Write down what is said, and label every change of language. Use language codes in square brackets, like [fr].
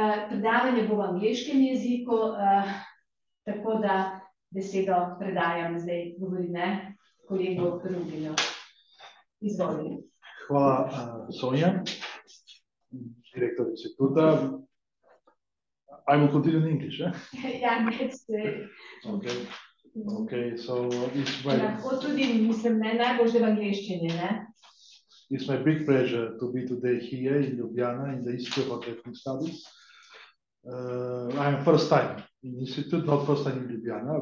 [sl] Predavanje bo v angleškem jeziku, tako da besedo predajam zdaj, govori, ne, kolegu Rubinu. Izvolite. Hvala, Sonja, direktor instituta. [en] I will continue in English, eh? Ja, next day. Okay, so [sl] Lahko tudi, mislim, ne, najbolje v angleščini, ne? [en] it's my big pleasure to be today here in Ljubljana in the Institute of Ethnic Studies. I am first time in Institute, not first time in Ljubljana.